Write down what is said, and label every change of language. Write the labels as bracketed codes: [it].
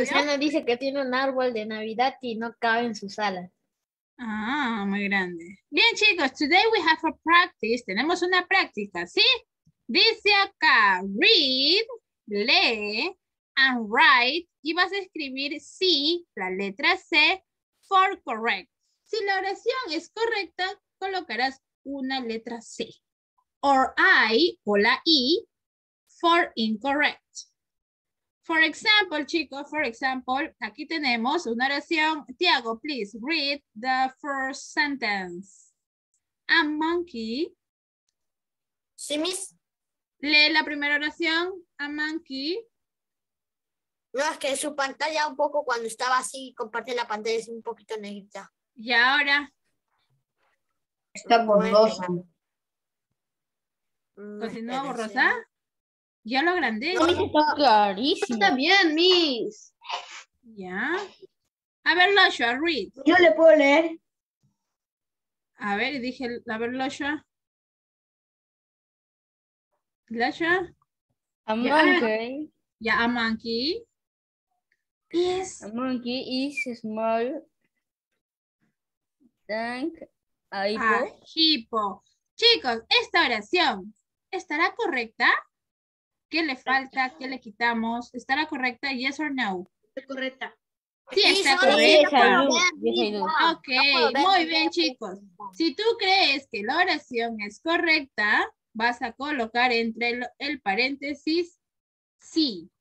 [es] Luciana dice que tiene un árbol de Navidad y no cabe en su sala. Ah, muy grande. Bien, chicos, [en] today we have a practice. [es] Tenemos una práctica, ¿sí? Dice acá, [en] read, [es] lee, [en] and write. [es] Y vas a escribir sí, la letra C, for correct. Si la oración es correcta, colocarás una letra C. [en] Or I, [es] o la I, [en] for incorrect. For example, [es] chicos, for example, aquí tenemos una oración. [en] Tiago, please read the first sentence. A monkey. [es] Sí, miss. Lee la primera oración. [en] A monkey. [es] No, es que su pantalla un poco cuando estaba así, comparte la pantalla, es un poquito negrita. Y ahora. Está borrosa. ¿Continúa borrosa? Ya lo agrandé. No, miss, está clarísimo. Está bien, miss. Ya. A ver, Lasha, [en] read. [es] Yo le puedo leer. A ver, dije, a ver, Lasha. Lasha. [en] A monkey. Ya, a monkey. Yes. A monkey is small than a hippo. A hippo. [es] Chicos, esta oración, ¿estará correcta? ¿Qué le falta? ¿Qué le quitamos? ¿Estará correcta? [en] ¿Yes or no? [es] Está correcta. Sí, está correcta. Ok, muy bien, chicos. Si tú crees que la oración es correcta, vas a colocar entre el paréntesis sí.